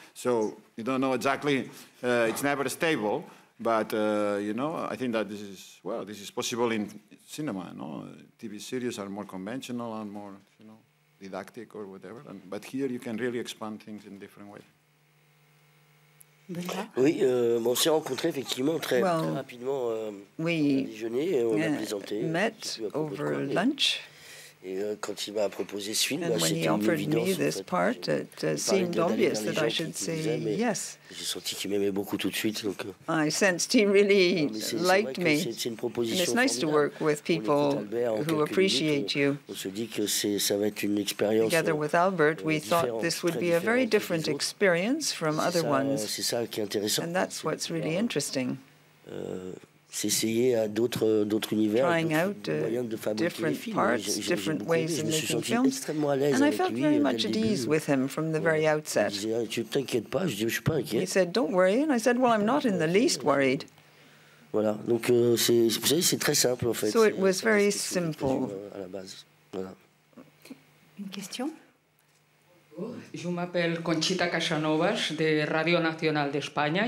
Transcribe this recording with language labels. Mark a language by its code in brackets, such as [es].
[en] So you don't know exactly, it's never stable. But, you know, I think that this is possible in cinema, you know. TV series are more conventional and more, you know, didactic or whatever. But here you can really expand things in different ways. [fr] Oui, on s'est rencontrés effectivement très, well, très rapidement au déjeuner et on l'a présenté. [en] Met over lunch. [fr] Et quand il m'a proposé ce film, [en] and when he offered me this part, it seemed obvious that I should say yes. [fr] J'ai senti qu'il m'aimait beaucoup tout de suite. Donc, [en] I sensed he really liked me. [fr] C'est une proposition, [en] and it's nice to work with people who appreciate you. [fr] On se dit que ça va être une expérience. [en] Together with Albert, we thought this would be a very different experience from other ones. [fr] C'est ça qui est intéressant. [en] And that's what's really interesting. [fr] S'essayer à d'autres univers, [en] trying out different parts, different ways of making films. And I felt very much at ease with him from the very outset. He said, don't worry. And I said, well, I'm not in the least worried. [fr] Voilà. Donc, vous savez, c'est très simple, en fait. [en] So it was very simple. [fr] À la base. Voilà. Une question? Je m'appelle Conchita Casanovas de Radio Nacional d'Espagne.